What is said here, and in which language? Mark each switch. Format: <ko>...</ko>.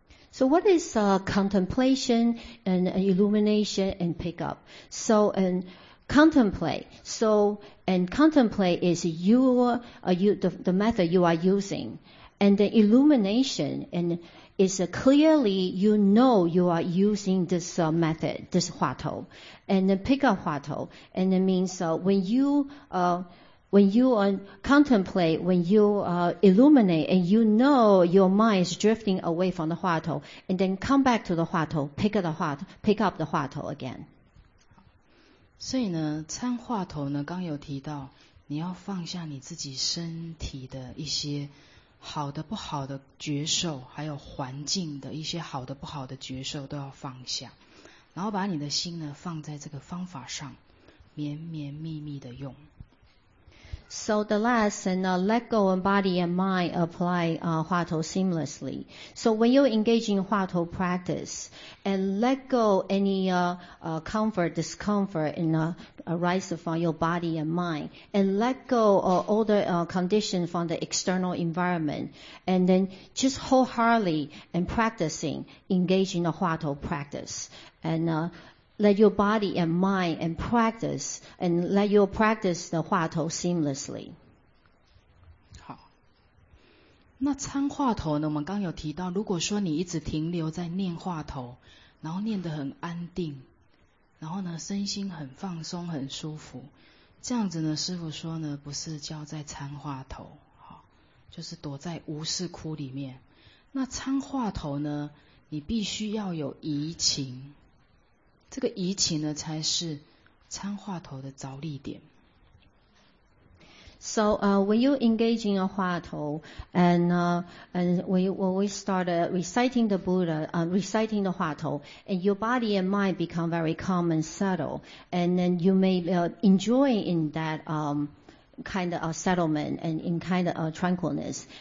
<en>So what is contemplation and illumination and pick up? So andcontemplate. So, and contemplate is the method you are using. And the illumination and is clearly you know you are using this method, this 话头. And then pick up 话头. And it means when you When you contemplate, when you illuminate, and you know your mind is drifting away from the 话头, and then come back to the 话头, pick up the 话头 again.</en> <zh>所以呢，参话头呢，刚有提到，你要放下你自己身体的一些好的不好的觉受，还有环境的一些好的不好的觉受都要放下，然后把你的心呢放在这个方法上，绵绵密密的用。</zh> <en>So the lesson, let go of body and mind, apply Hua Tou seamlessly. So when you engage in Hua Tou practice, and let go any comfort, discomfort, and arise from your body and mind, and let go of all the conditions from the external environment, and then just wholeheartedly and practicing, engage in the Hua Tou practice. And let your body and mind and practice and let you practice the 话头 seamlessly.</en> <zh>好，那参话头呢，我们刚有提到，如果说你一直停留在念话头，然后念得很安定，然后呢身心很放松很舒服，这样子呢师父说呢不是叫在参话头，好，就是躲在无事窟里面。那参话头呢，你必须要有移情，这个移情呢才是参话头的着力点。</zh> <en>So, when you engage in a 话头 and when we start reciting the Buddha, reciting the 话头 and your body and mind become very calm and subtle, and then you may enjoy in that, kind of a settlement and in kind of a tranquilness.</en>